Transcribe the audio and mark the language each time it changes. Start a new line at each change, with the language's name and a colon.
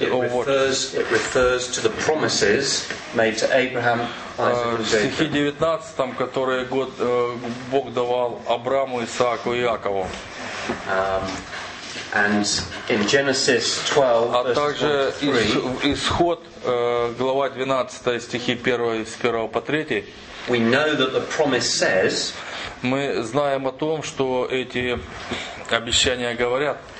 English: It refers to the promises made to Abraham, Isaac, and Jacob.
Russian: Стихи 19, которые Бог давал Аврааму, Исааку и Иакову.
English: And in Genesis 12,
Russian: а также исход, глава 12, стихи 1, с 1 по 3.
English: We know that the promise says.
Russian: Мы знаем о том, что эти обещания говорят.